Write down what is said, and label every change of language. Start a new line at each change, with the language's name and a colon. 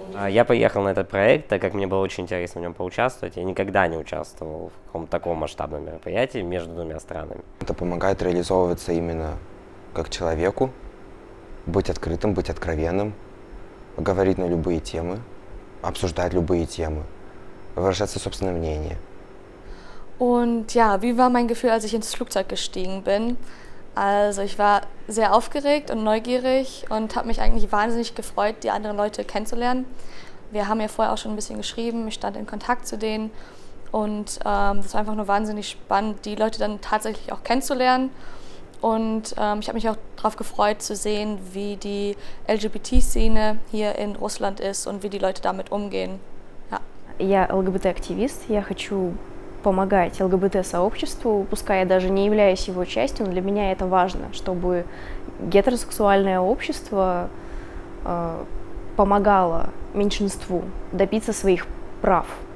Russian: Я поехал на этот проект, так как мне было очень интересно в нем поучаствовать. Я никогда не участвовал в каком-то таком масштабном мероприятии между двумя странами. Это помогает реализовываться именно как человеку, быть открытым, быть откровенным, говорить на любые темы, обсуждать любые темы, выражаться собственное мнение.
German: Und ja, wie war mein Gefühl, als ich ins Flugzeug gestiegen bin? Also ich war sehr aufgeregt und neugierig und habe mich eigentlich wahnsinnig gefreut, die anderen Leute kennenzulernen. Wir haben ja vorher auch schon ein bisschen geschrieben, ich stand in Kontakt zu denen und das war einfach nur wahnsinnig spannend, die Leute dann tatsächlich auch kennenzulernen. Und ich habe mich auch darauf gefreut zu sehen, wie die LGBT-Szene hier in Russland ist und wie die Leute damit umgehen. Ja.
Russian: Я ЛГБТ-активист, я хочу помогать ЛГБТ-сообществу, пускай я даже не являюсь его частью, но для меня это важно, чтобы гетеросексуальное общество помогало меньшинству добиться своих прав